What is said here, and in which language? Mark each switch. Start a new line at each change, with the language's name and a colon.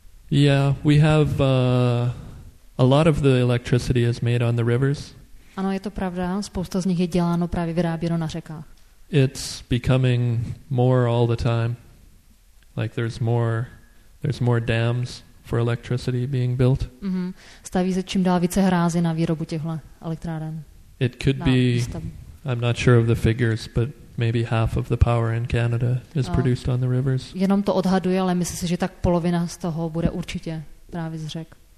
English: Yeah, we have a lot of the electricity is made on the rivers.
Czech: Ano, je to pravda, spousta z nich je děláno právě vyráběno na řekách.
English: It's becoming more all the time. Like there's more dams for electricity being built. Mm-hmm.
Czech: Staví se čím dál více hrázy na výrobu těchto elektráren.
English: It could be výstavu. I'm not sure of the figures, but maybe half of the power in Canada is produced on the rivers.
Czech: Jenom to odhaduje, ale myslím si, že tak polovina z toho bude určitě právě z řek.